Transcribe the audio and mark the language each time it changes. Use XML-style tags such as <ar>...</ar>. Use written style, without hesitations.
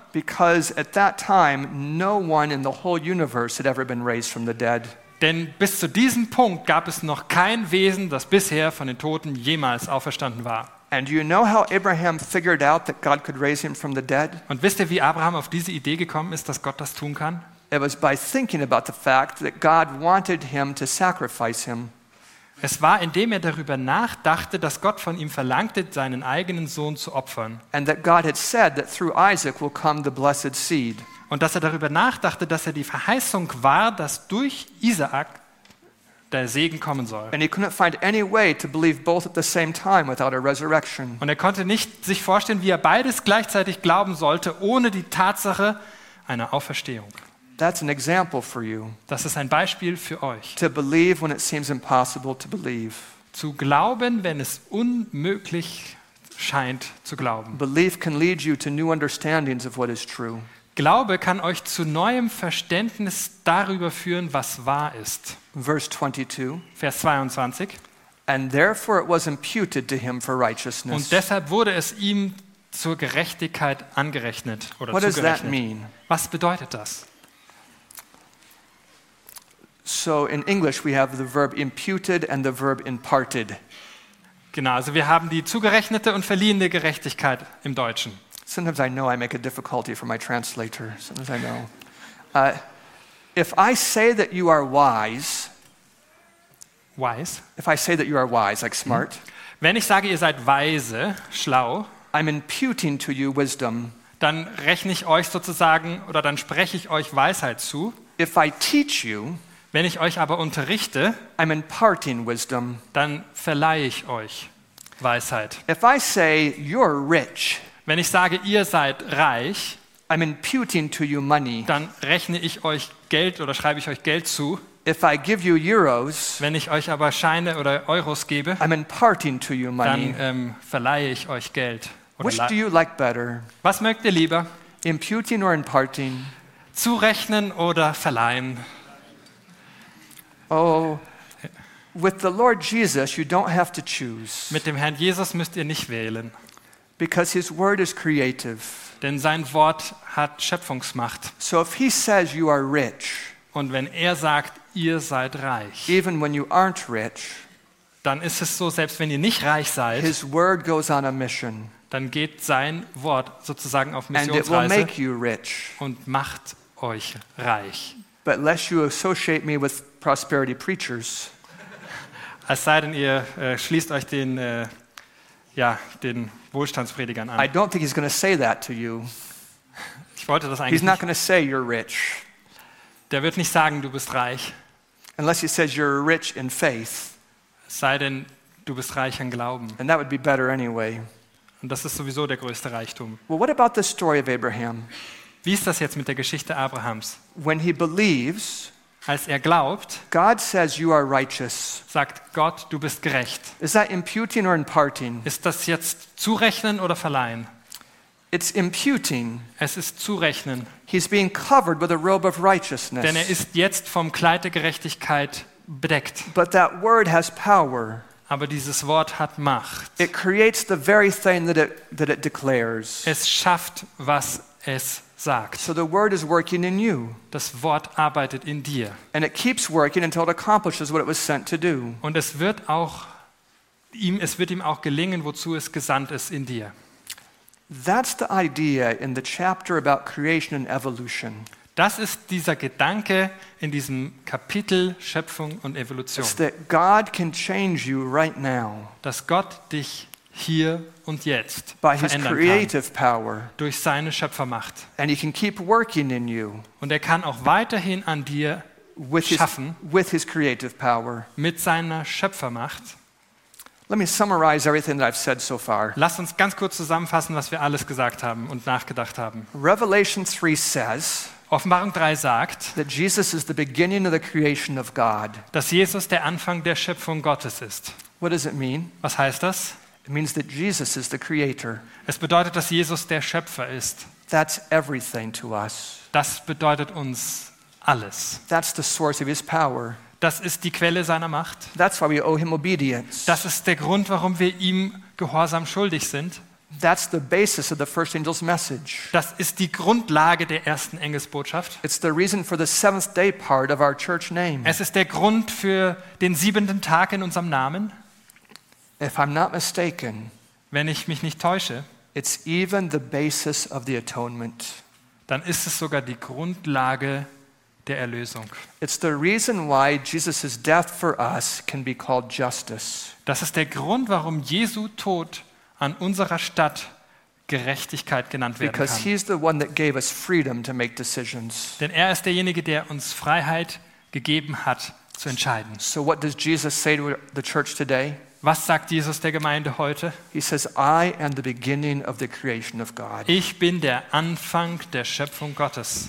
<en>Because at that time, no one in the whole universe had ever been raised from the dead.</en> <de>Denn bis zu diesem Punkt gab es noch kein Wesen, das bisher von den Toten jemals auferstanden war.</de> <en>And you know how Abraham figured out that God could raise him from the dead?</en> <de>Und wisst ihr, wie Abraham auf diese Idee gekommen ist, dass Gott das tun kann?</de> <en>It was by thinking about the fact that God wanted him to sacrifice him.</en> <de>Es war, indem er darüber nachdachte, dass Gott von ihm verlangte, seinen eigenen Sohn zu opfern.</de> <en>And that God had said that through Isaac will come the blessed seed.</en> <de>Und dass er darüber nachdachte, dass er die Verheißung war, dass durch Isaac der Segen kommen soll.</de> <en>And he couldn't find any way to believe both at the same time without a resurrection.</en> <de>Und er konnte nicht sich vorstellen, wie er beides gleichzeitig glauben sollte ohne die Tatsache einer Auferstehung.</de> <en>That's an example for you.</en> <de>Das ist ein Beispiel für euch.</de> <en>To believe when it seems impossible to believe.</en> <de>Zu glauben, wenn es unmöglich scheint zu glauben.</de> <en>Belief can lead you to new understandings of what is true.</en> <de>Glaube kann euch zu neuem Verständnis darüber führen, was wahr ist. Vers 22.</de> <en>And therefore it was imputed to him for righteousness.</en> <de>Und deshalb wurde es ihm zur Gerechtigkeit angerechnet oder</de> <en>what</en> <de>zugerechnet.</de> <en>Does that mean?</en> <de>Was bedeutet das?</de> <en>So in English we have the verb imputed and the verb imparted.</en> <de>Genau, also wir haben die zugerechnete und verliehene Gerechtigkeit im Deutschen.</de> <en>Sometimes I know I make a difficulty for my translator. Sometimes I know. If I say that you are wise. If I say that you are wise, like smart.</en> <de>Wenn ich sage, ihr seid weise, schlau.</de> <en>I'm imputing to you wisdom.</en> <de>Dann rechne ich euch sozusagen, oder dann spreche ich euch Weisheit zu.</de> <en>If I teach you.</en> <de>Wenn ich euch aber unterrichte.</de> <en>I'm imparting wisdom.</en> <de>Dann verleihe ich euch Weisheit.</de> <en>If I say you're rich.</en> <de>Wenn ich sage, ihr seid reich,</de> <en>I'm imputing to you money.</en> <de>Dann rechne ich euch Geld oder schreibe ich euch Geld zu.</de> <en>If I give you euros,</en> <de>wenn ich euch aber Scheine oder Euros gebe,</de> <en>I'm imparting to you money.</en> <de>Dann verleihe ich euch Geld. Oder</de> <en>Which do you like better?</en> <de>Was mögt ihr lieber?</de> <en>Imputing or imparting?</en> <de>Zurechnen oder verleihen?</de> <en>Oh, with the Lord Jesus, you don't have to choose.</en> <de>Mit dem Herrn Jesus müsst ihr nicht wählen.</de> <en>Because his word is creative.</en> <de>Denn sein Wort hat Schöpfungsmacht.</de> <en>So if he says you are rich,</en> <de>und wenn er sagt, ihr seid reich,</de> <en>even when you aren't rich,</en> <de>dann ist es so, selbst wenn ihr nicht reich seid,</de> <en>his word goes on a mission,</en> <de>dann geht sein Wort sozusagen auf Missionsreise,</de> <en>and it will make you rich,</en> <de>und macht euch reich.</de> <en>But lest you associate me with prosperity preachers.</en> <de>Es sei denn, ihr schließt euch den den Wohlstandspredigern an.</de> <en>I don't think he's going to say that to you.</en> <de>Ich wollte das eigentlich.</de> <en>He's not going to say you're rich.</en> <de>Der wird nicht sagen, du bist reich.</de> <en>Unless he says you're rich in faith.</en> <de>Sei denn, du bist reich an Glauben.</de> <en>And that would be better anyway.</en> <de>Und das ist sowieso der größte Reichtum.</de> <en>Well, what about the story of Abraham?</en> <de>Wie ist das jetzt mit der Geschichte Abrahams?</de> <en>When he believes,</en> <de>als er glaubt,</de> <en>God says you are righteous.</en> <de>Sagt Gott, du bist gerecht.</de> <en>Is that imputing or imparting?</en> <de>Ist das jetzt zurechnen oder verleihen?</de> <en>It's imputing.</en> <de>Es ist zurechnen.</de> <en>He's being covered with a robe of righteousness.</en> <de>Denn er ist jetzt vom Kleid der Gerechtigkeit bedeckt.</de> <en>But that word has power.</en> <de>Aber dieses Wort hat Macht.</de> <en>It creates the very thing that it declares.</en> <de>Es schafft, was es sagt.</de> <en>So the word is working in you.</en> <de>Das Wort arbeitet in dir.</de> <en>And it keeps working until it accomplishes what it was sent to do.</en> <de>Und es wird ihm auch gelingen, wozu es gesandt ist in dir.</de> <en>That's the idea in the chapter about creation and evolution.</en> <de>Das ist dieser Gedanke in diesem Kapitel Schöpfung und Evolution.</de> <en>That God can change you right now.</en> <de>Dass Gott dich hier und jetzt</de> <en>by his creative power</en> <de>durch seine Schöpfermacht.</de> <en>And he can keep working in you.</en> <de>Und kann auch weiterhin an dir schaffen</de> <en>with his creative power.</en> <de>Mit seiner Schöpfermacht.</de> <en>Let me summarize everything that I've said so far.</en> <de>Lass uns ganz kurz zusammenfassen, was wir alles gesagt haben und nachgedacht haben.</de> <en>Revelation 3 says,</en> <de>Offenbarung 3 sagt,</de> <en>that Jesus is the beginning of the creation of God.</en> <de>Dass Jesus der Anfang der Schöpfung Gottes ist.</de> <en>What does it mean?</en> <de>Was heißt das?</de> <en>It means that Jesus is the creator.</en> <de>Es bedeutet, dass Jesus der Schöpfer ist.</de> <en>That's everything to us.</en> <de>Das bedeutet uns alles.</de> <en>That's the source of his power.</en> <de>Das ist die Quelle seiner Macht.</de> <en>That's why we owe him obedience.</en> <de>Das ist der Grund, warum wir ihm Gehorsam schuldig sind.</de> <en>That's the basis of the first angel's message.</en> <de>Das ist die Grundlage der ersten Engelsbotschaft.</de> <en>It's the reason for the seventh day part of our church name.</en> <de>Es ist der Grund für den siebenten Tag in unserem Namen.</de> <en>If I'm not mistaken,</en> <de>wenn ich mich nicht täusche,</de> <en>it's even the basis of the atonement.</en> <de>Dann ist es sogar die Grundlage der Erlösung.</de> <en>It's the reason why Jesus' death for us can be called justice.</en> <de>Das ist der Grund, warum Jesu Tod an unserer Stadt Gerechtigkeit genannt werden kann.</de> <en>Because he's the one that gave us freedom to make decisions.</en> <de>Denn ist derjenige, der uns Freiheit gegeben hat, zu entscheiden.</de> <en>So what does Jesus say to the church today?</en> <de>Was sagt Jesus der Gemeinde heute?</de> <en>He says, I am the beginning of the creation of God.</en> <de>Ich bin der Anfang der Schöpfung Gottes.</de>